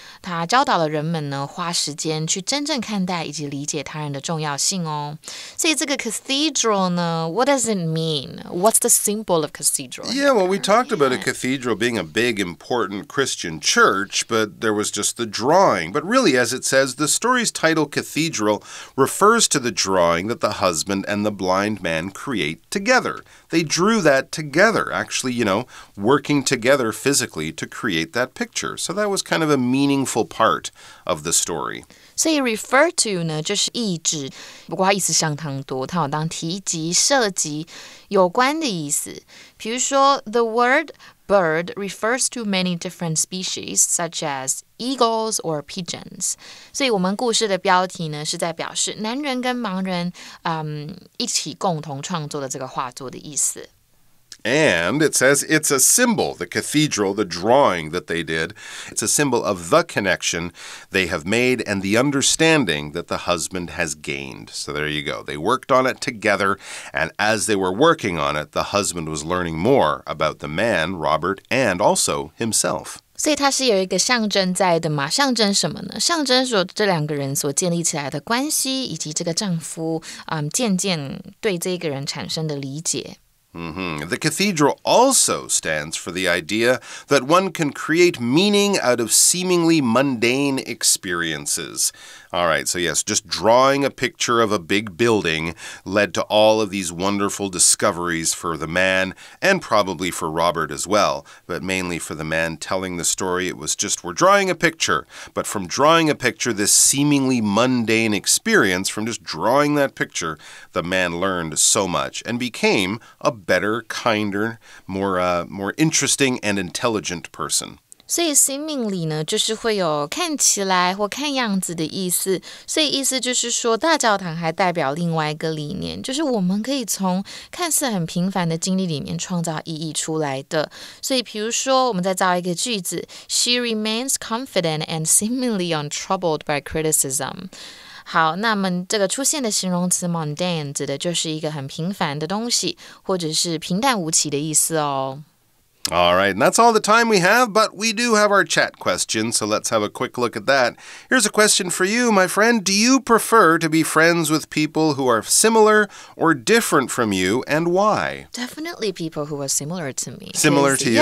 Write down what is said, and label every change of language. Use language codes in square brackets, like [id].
[zh] 它教导了人们呢花时间去真正看待以及理解他人的重要性哦。所以这个 [en] cathedral 呢 what does it mean? What's the symbol of cathedral? Yeah, well, we talked about a cathedral being a big, important Christian church, but there was just the drawing. But really, as it says, the story's title cathedral refers to the drawingthat the husband and the blind man create together. They drew that together, actually, you know, working together physically to create that picture. So that was kind of a meaningful part of the story. [zh] 所以 [en] refer to [zh] 呢就是意指，不过它意思相当多，它有当提及、涉及、有关的意思。比如说 [en] ，the word bird refers to many different species, such as eagles or pigeons. [zh] 所以我们故事的标题呢是在表示男人跟盲人、一起共同创作的这个画作的意思。 [en] And it says it's a symbol, the cathedral, the drawing that they did. It's a symbol of the connection they have made and the understanding that the husband has gained. So there you go. They worked on it together. And as they were working on it, the husband was learning more about the man, Robert, and also himself. [zh] 所以它是有一个象征在的嘛，象征什么呢？象征说这两个人所建立起来的关系，以及这个丈夫，渐渐对这个人产生的理解。 Mm-hmm. [en] The cathedral also stands for the idea that one can create meaning out of seemingly mundane experiences. All right, so yes, just drawing a picture of a big building led to all of these wonderful discoveries for the man, and probably for Robert as well, but mainly for the man telling the story. It was just, we're drawing a picture. But from drawing a picture, this seemingly mundane experience, from just drawing that picture, the man learned so much and became aa better, kinder, more interesting and intelligent person. [zh] 所以 seemingly 呢，就是会有看起来或看样子的意思。所以意思就是说，大教堂还代表另外一个理念，就是我们可以从看似很平凡的经历里面创造意义出来的。所以比如说，我们再造一个句子 [en] ，She remains confident and seemingly untroubled by criticism. [zh] 好，那么这个出现的形容词 mundane 指的就是一个很平凡的东西，或者是平淡无奇的意思哦。 [en] All right, and that's all the time we have, but we do have our chat question, so let's have a quick look at that. Here's a question for you, my friend. Do you prefer to be friends with people who are similar or different from you, and why? Definitely people who are similar to me. Similar to you?